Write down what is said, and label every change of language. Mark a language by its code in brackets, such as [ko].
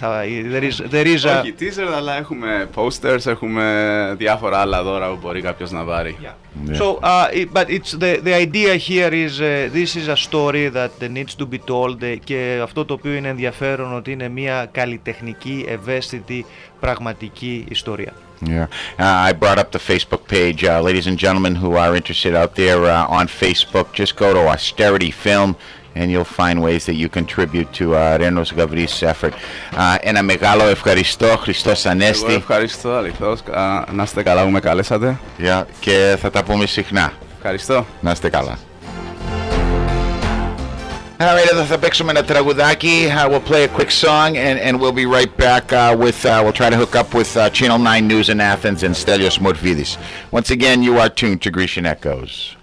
[el] όχι t-shirt, αλλά έχουμε posters, έχουμε διάφορα άλλα δώρα που μπορεί κάποιος να πάρει. [en] So, but it's the idea here is this is a story that needs to be told, [el] και αυτό το οποίο είναι ενδιαφέρον ότι είναι μια καλλιτεχνική, ευαίσθητη, πραγματική ιστορία. [en] Yeah, I brought up the Facebook page. Ladies and gentlemen who are interested out there on Facebook, just go to Austerity Film and you'll find ways that you contribute to Renos Gavris' effort. [el] Ένα μεγάλο ευχαριστώ, Χριστός Ανέστη. Εγώ ευχαριστώ, αληθώς. Να είστε καλά που με καλέσατε. Yeah, και θα τα πούμε συχνά. Ευχαριστώ. Να είστε καλά. [en] All right, [el] εδώ θα παίξουμε ένα τραγουδάκι. [en] We'll play a quick song and we'll be right back with we'll try to hook up with Channel 9 News in Athens and Stelios Mourvidis. Once again, you are tuned to Grecian Echoes.